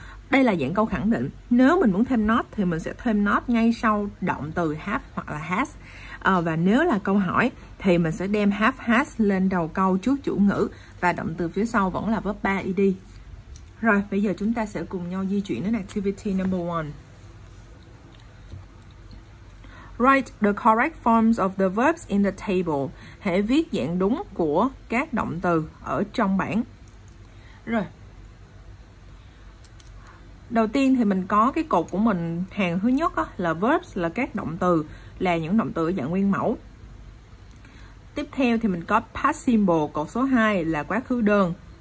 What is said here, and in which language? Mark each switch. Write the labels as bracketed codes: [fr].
[vi] Đây là dạng câu khẳng định. Nếu mình muốn thêm not thì mình sẽ thêm not ngay sau động từ have hoặc là has. Và nếu là câu hỏi thì mình sẽ đem have, has lên đầu câu trước chủ ngữ và động từ phía sau vẫn là verb 3 ed. Rồi, bây giờ chúng ta sẽ cùng nhau di chuyển đến [en] activity number 1. Write the correct forms of the verbs in the table. [vi] Hãy viết dạng đúng của các động từ ở trong bảng. Rồi. Đầu tiên thì mình có cái cột của mình, hàng thứ nhất á, là verbs, là các động từ, là những động từ ở dạng nguyên mẫu. Tiếp theo thì mình có past simple, cột số 2 là quá khứ đơn.